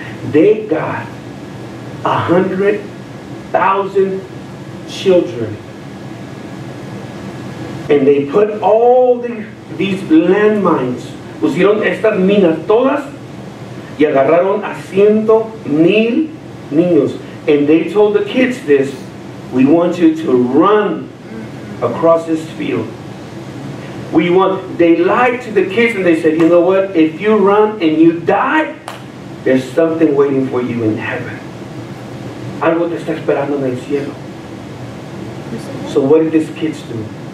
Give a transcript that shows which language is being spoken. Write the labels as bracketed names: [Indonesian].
[English] They got 100,000 children, and they put all these landmines. [Spanish] Pusieron estas minas todas y agarraron a 100,000 niños. [English] And they told the kids this: we want you to run across this field. They lied to the kids and they said, you know what? If you run and you die, there's something waiting for you in heaven. [Spanish] Algo te está esperando en el cielo. [English] So what did these kids do?